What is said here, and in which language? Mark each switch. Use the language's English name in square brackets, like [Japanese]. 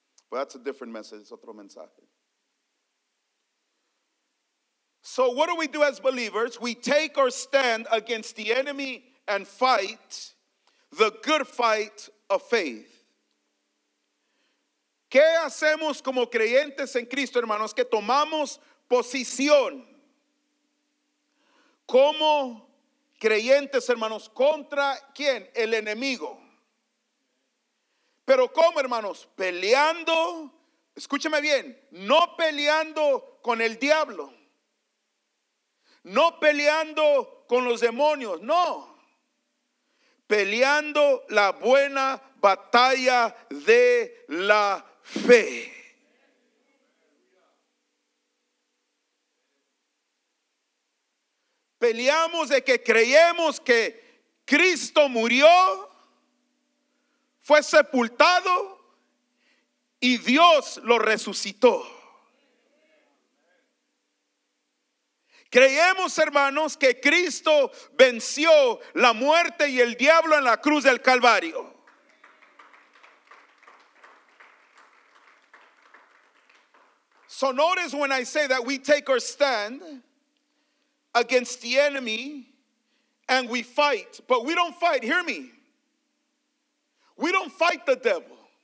[English] But that's a different message. [Spanish] Otro mensaje. [English] So what do we do as believers? We take our stand against the enemy and fight the good fight of faith. [Spanish] ¿Qué hacemos como creyentes en Cristo, hermanos? Que tomamos posición como creyentes, hermanos, ¿contra quién? El enemigo. Pero ¿cómo, hermanos? Peleando, escúcheme bien, no peleando con el diablo, no peleando con los demonios, no. Peleando la buena batalla de la fe. Peleando peleamos de que creemos que Cristo murió, fue sepultado y Dios lo resucitó. Creemos, hermanos, que Cristo venció la muerte y el diablo en la cruz del Calvario. [English] So notice when I say that we take our stand against the enemy and we fight. But we don't fight, hear me. We don't fight the devil.